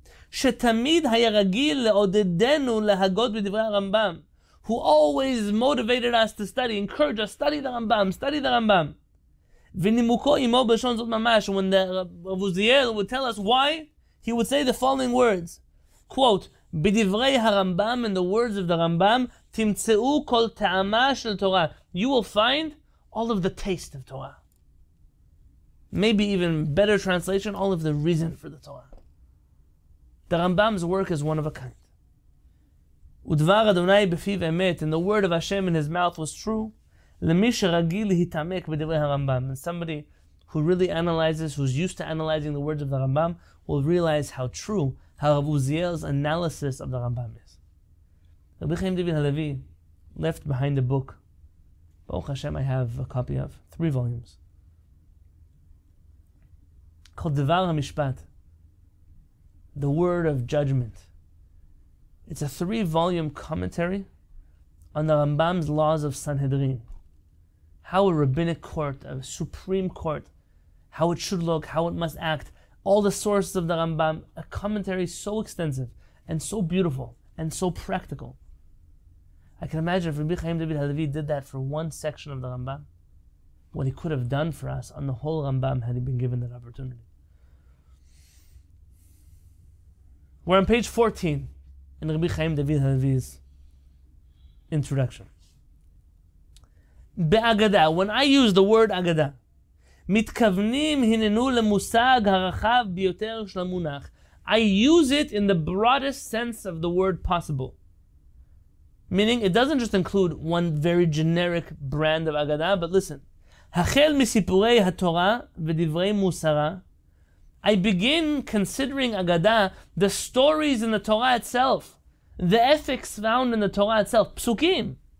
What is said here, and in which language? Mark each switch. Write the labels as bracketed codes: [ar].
[he] Shetamid hayaragil le'odedenu lehagot b'divrei Rambam, [en] who always motivated us to study, encouraged us, study the Rambam. [he] V'nimuko imo b'shon zot mamash, [en] when the Harav Uziel would tell us why, he would say the following words. Quote, [he] בדברי הרמב״ם, [en] in the words of the Rambam, [he] תמצאו כל טעמה של תורה. [en] You will find all of the taste of Torah. Maybe even better translation, all of the reason for the Torah. The Rambam's work is one of a kind. [he] ודבר אדוני בפיו אמת, [en] and the word of Hashem in his mouth was true, [he] למי שרגיל להתעמק בדברי הרמב״ם. [en] And somebody who really analyzes, who's used to analyzing the words of the Rambam, will realize how true Harav Uziel's analysis of the Rambam is. Rabbi Chaim David Halevi left behind a book, Baruch Hashem I have a copy of, 3 volumes, called Devar HaMishpat, The Word of Judgment. It's a 3-volume commentary on the Rambam's laws of Sanhedrin. How a rabbinic court, a supreme court, how it should look, how it must act, all the sources of the Rambam, a commentary so extensive and so beautiful and so practical. I can imagine if Rabbi Chaim David Halevi did that for one section of the Rambam, what he could have done for us on the whole Rambam had he been given that opportunity. We're on page 14 in Rabbi Chaim David Halevi's introduction. [he] Be'agadah, [en] when I use the word agadah, [he] מתכוונים הננו למושג הרחב ביותר של המונח. [en] I use it in the broadest sense of the word possible. Meaning, it doesn't just include one very generic brand of Agada, but listen. [he] החל מסיפורי התורה ודברי מוסרה, [en] I begin considering Agada, the stories in the Torah itself, the ethics found in the Torah itself, psukim.